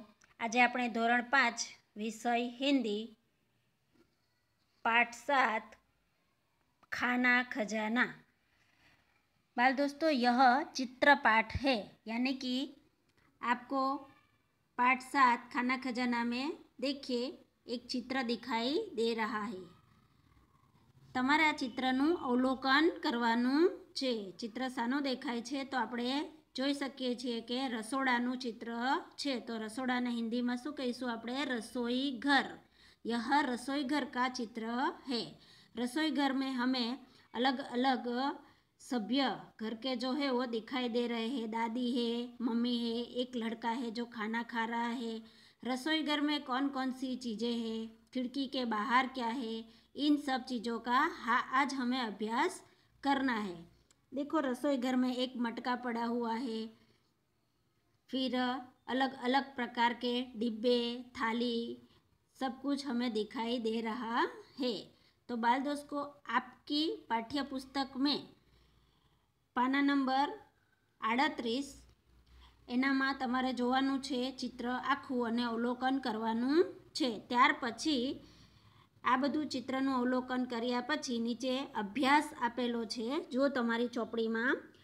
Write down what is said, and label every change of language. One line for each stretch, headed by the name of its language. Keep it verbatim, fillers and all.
Gujarati: આજે આપણે ધોરણ પાંચ વિષય હિન્દી પાઠ સાત ખાના ખજાના.
Hindi: बाल दोस्तों, यह चित्र पाठ है, यानी कि आपको पाठ सात खाना खजाना में देखिए एक चित्र दिखाई दे रहा है.
Gujarati: તમારે આ ચિત્રનું અવલોકન કરવાનું છે. ચિત્ર સાનું દેખાય છે તો આપણે જોઈ શકીએ છીએ કે રસોડાનું ચિત્ર છે. તો રસોડાને હિન્દીમાં શું કહીશું આપણે?
Hindi: રસोई घर. यह रसोई घर का चित्र है. रसोई घर में हमें अलग अलग सभ्य घर के जो है वो दिखाई दे रहे हैं. दादी है, मम्मी है, एक लड़का है जो खाना खा रहा है. रसोई घर में कौन कौन सी चीज़ें हैं, खिड़की के बाहर क्या है, इन सब चीज़ों का हा आज हमें अभ्यास करना है. देखो, रसोई घर में एक मटका पड़ा हुआ है, फिर अलग अलग प्रकार के डिब्बे, थाली, सब कुछ हमें दिखाई दे रहा है. तो बाल दोस्तों, आपकी पाठ्य पुस्तक में पाना नंबर
Gujarati: આડત્રીસ એનામાં તમારે જોવાનું છે ચિત્ર આખું અને અવલોકન કરવાનું છે. ત્યાર પછી આ બધું ચિત્રનું અવલોકન કર્યા પછી નીચે અભ્યાસ આપેલો છે જો તમારી ચોપડીમાં.